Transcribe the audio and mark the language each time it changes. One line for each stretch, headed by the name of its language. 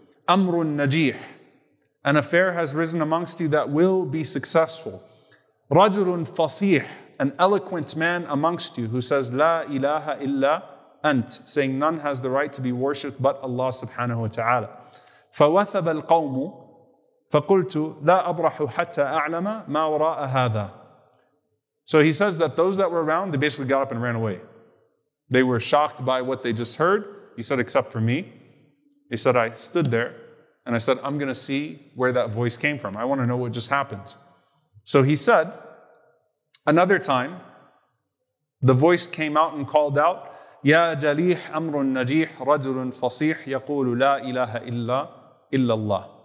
Arabic: Amrun najih,
English: an affair has risen amongst you that will be successful.
Arabic: Rajulun fasih,
English: an eloquent man amongst you who says
Arabic: la ilaha illa ant,
English: saying none has the right to be worshipped but Allah subhanahu wa ta'ala.
Arabic: فوثب القوم فقلت لا أبرح حتى أعلم ما وراء هذا.
English: So he says that those that were around, they basically got up and ran away. They were shocked by what they just heard. He said, except for me. He said, I stood there and I said, I'm going to see where that voice came from. I want to know what just happened. So he said, another time, the voice came out and called out,
Arabic: يا جليح أمر نجيح رجل فصيح يقول لا إله إلا الله.